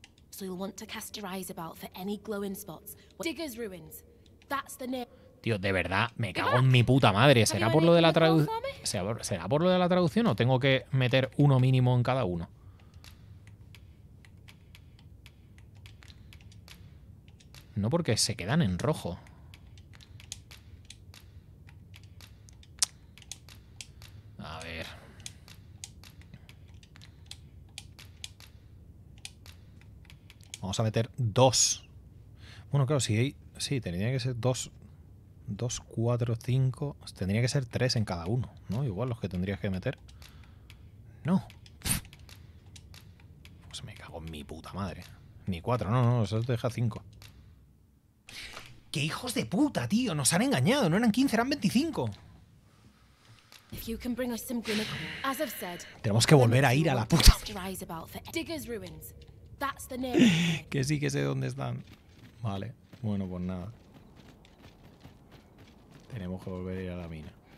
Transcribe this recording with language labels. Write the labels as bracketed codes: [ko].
[en] So you'll want to cast your eyes about for any glowing spots. Digger's Ruins. That's the name. [es] Tío, de verdad, me cago en mi puta madre. ¿Será por lo de la traducción? ¿Será por lo de la traducción o tengo que meter uno mínimo en cada uno? No, porque se quedan en rojo. A ver. Vamos a meter dos. Bueno, claro, si hay... Sí, tendría que ser dos. Dos, cuatro, cinco. Tendría que ser tres en cada uno, ¿no? Igual los que tendrías que meter. No. Pues me cago en mi puta madre. Ni cuatro, no, no, eso te deja cinco. ¡Qué hijos de puta, tío! Nos han engañado. No eran 15, eran 25. [en] If you can bring us some glimmer, as I've said, [es] tenemos que volver a ir a la puta. [en] Digger's Ruins. [es] Que sí, que sé dónde están. Vale, bueno, pues nada. Tenemos que volver a ir a la mina.